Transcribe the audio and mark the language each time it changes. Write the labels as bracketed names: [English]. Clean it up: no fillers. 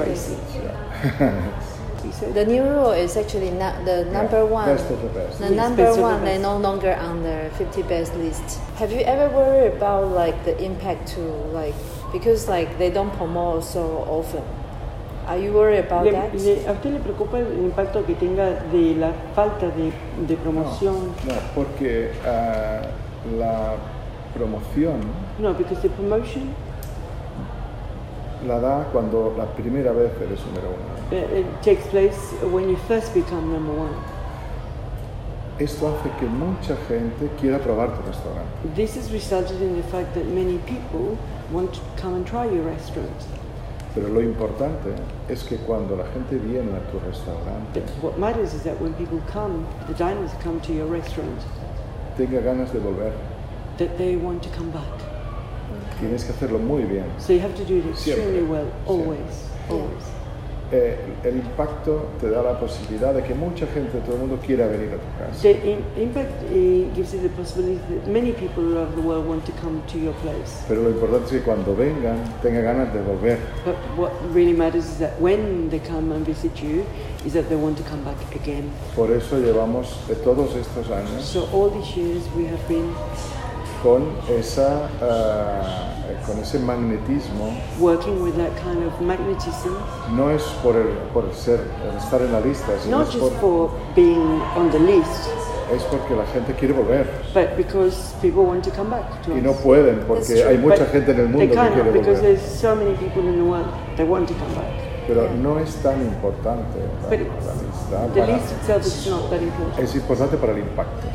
[English] Yeah, it's crazy. Yeah. The new rule is actually not the number one. Best of the best. The number one, they're no longer on the 50 best list. Have you ever worried about like the impact to like, because like they don't promote so often. Are you worried about that? [Spanish] ¿A usted le preocupa el impacto que tenga de la falta de promoción? No, porque la promoción. [English] No, because the promotion. [Spanish] La da cuando la primera vez eres número uno. [English] It takes place when you first become number one. [Spanish] Esto hace que mucha gente quiera probar tu restaurante. [English] This has resulted in the fact that many people want to come and try your restaurant. [Spanish] Pero lo importante es que cuando la gente viene a tu restaurante. [English] But what matters is that when people come, the diners come to your restaurant. [Spanish] Tenga ganas de volver. [English] That they want to come back. [Spanish] Tienes que hacerlo muy bien. [English] So you have to do it extremely Well, always, [Spanish] siempre. [English] Always. [Spanish] El impacto te da la posibilidad de que mucha gente, todo el mundo quiera venir a tu casa. [English] The impact gives you the possibility that many people around the world want to come to your place. [Spanish] Pero lo importante es que cuando vengan, tengan ganas de volver. [English] But what really matters is that when they come and visit you, is that they want to come back again. [Spanish] Por eso llevamos todos estos años. [English] So all these years we have been. [Spanish] Con esa con ese magnetismo. [English] Working with that kind of magnetism. [Spanish] No es por estar en la lista, sino [English] not just for being on the list. [Spanish] Es porque la gente quiere volver. [English] But because people want to come back to [Spanish] y [English] us. [Spanish] No pueden porque hay mucha [English] but [Spanish] gente en el mundo [English] they [Spanish] que quiere [English] because Because there's so many people in the world that want to come back. [Spanish] Pero no es tan importante la lista. [English] The list itself is not that important. [Spanish] Es importante para el impacto.